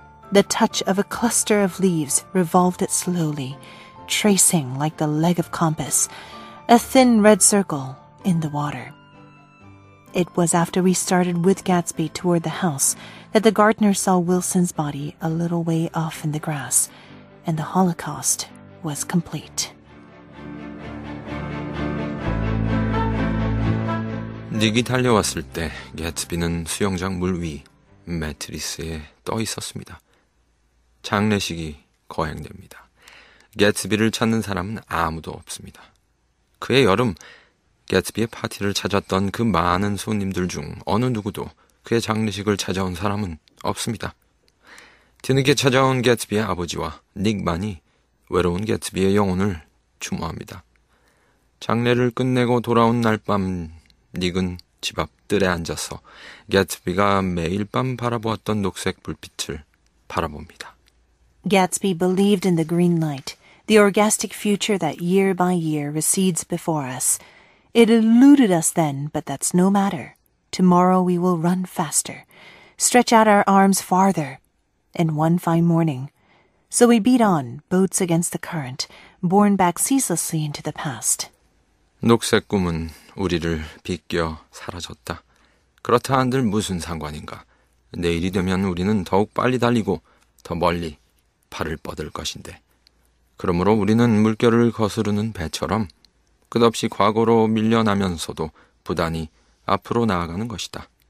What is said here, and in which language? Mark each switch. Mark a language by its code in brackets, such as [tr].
[en] The touch of a cluster of leaves revolved it slowly, tracing like the leg of compass, a thin red circle in the water. It was after we started with Gatsby toward the house that the gardener saw Wilson's body a little way off in the grass, and the holocaust was complete. [ko] 닉이 달려왔을 때 게츠비는 수영장 물 위 매트리스에 떠 있었습니다. 장례식이 거행됩니다. 게츠비를 찾는 사람은 아무도 없습니다. 그의 여름, 게츠비의 파티를 찾았던 그 많은 손님들 중 어느 누구도 그의 장례식을 찾아온 사람은 없습니다. 뒤늦게 찾아온 게츠비의 아버지와 닉만이 외로운 게츠비의 영혼을 추모합니다. 장례를 끝내고 돌아온 날 밤, 닉은 집 앞 뜰에 앉아서 게츠비가 매일 밤 바라보았던 녹색 불빛을 바라봅니다. [en] Gatsby believed in the green light, the orgastic future that year by year recedes before us. It eluded us then, but that's no matter. Tomorrow we will run faster, stretch out our arms farther, and one fine morning. So we beat on, boats against the current, borne back ceaselessly into the past. [ko] 녹색 꿈은 우리를 비껴 사라졌다. 그렇다 한들 무슨 상관인가. 내일이 되면 우리는 더욱 빨리 달리고 더 멀리 팔을 뻗을 것인데. 그러므로 우리는 물결을 거스르는 배처럼 끝없이 과거로 밀려나면서도 부단히 앞으로 나아가는 것이다.